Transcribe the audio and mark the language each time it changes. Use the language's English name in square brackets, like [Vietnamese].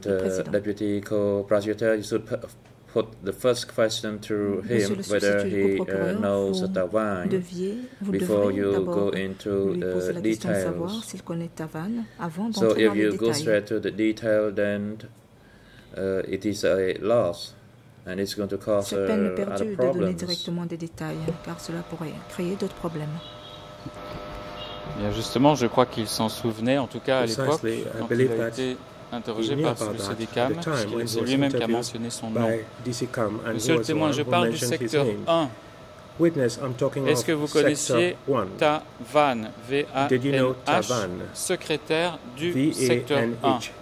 [English] President, deputy, co-prosecutor, you should put the first question to him whether he knows Ta Van before you go into the details. [French] Savoir s'il connaît Ta Van avant d'entrer dans les détails. [English] So if you go straight to the detail, then it is a loss, and it's going to cause a lot of problems. [French] C'est peine perdue de donner directement des détails, car cela pourrait créer d'autres problèmes. Bien justement, je crois qu'il s'en souvenait, en tout cas à l'époque, quand il a été interrogé par le CDCAM, puisque c'est lui-même qui a mentionné son nom. Monsieur le témoin, je parle du secteur 1. Est-ce que vous connaissiez Ta Van, V-A-N-H, secrétaire du secteur 1?